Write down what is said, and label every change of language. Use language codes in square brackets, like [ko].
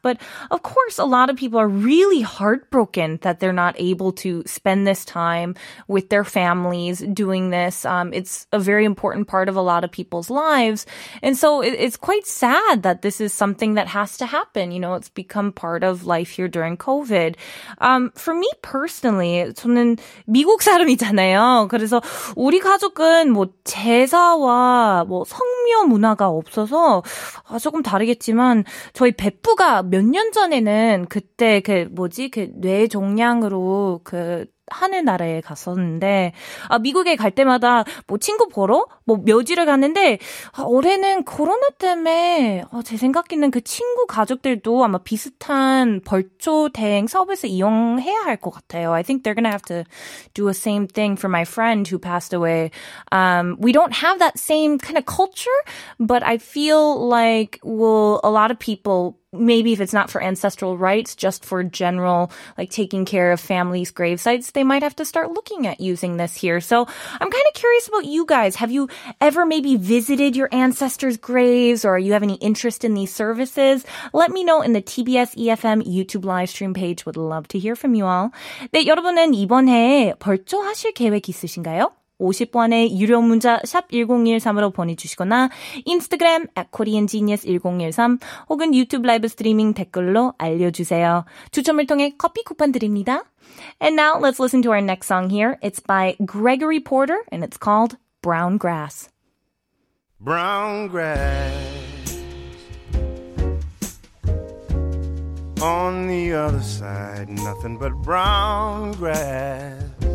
[en] But of course, a lot of people are really heartbroken that they're not able to spend this time with their families doing this. It's a very important part of a lot of people's lives. And so it's quite sad that this is something that has to happen. You know, it's become part of life here during COVID. For me personally, [ko] 저는 미국 사람이잖아요. 그래서 우리 가족은 뭐 제사와 뭐 성묘 문화 없어서 조금 다르겠지만 저희 베프가 몇 년 전에는 그때 그 뭐지 그 뇌종양으로 그 하늘나라에 갔었는데 아, 미국에 갈 때마다 뭐 친구 보러 뭐 묘지를 갔는데 아, 올해는 코로나 때문에 제 생각에는 그 친구 가족들도 아마 비슷한 벌초 대행 서비스 이용해야 할 것 같아요. [en] I think they're gonna have to do the same thing for my friend who passed away. We don't have that same kind of culture, but I feel like will a lot of people. Maybe if it's not for ancestral rites, just for general, like taking care of families' gravesites, they might have to start looking at using this here. So I'm kind of curious about you guys. Have you ever maybe visited your ancestors' graves or you have any interest in these services? Let me know in the TBS EFM YouTube live stream page. Would love to hear from you all. [ko] 네, 여러분은 이번 해에 벌초 하실 계획 있으신가요? 50원의 유료 문자 샵1013으로 보내주시거나 인스타그램 @koreangenius1013 혹은 유튜브 라이브 스트리밍 댓글로 알려주세요. 추첨을 통해 커피 쿠폰 드립니다. [en] And now let's listen to our next song here. It's by Gregory Porter and it's called Brown Grass. Brown grass on the other side, nothing but brown grass.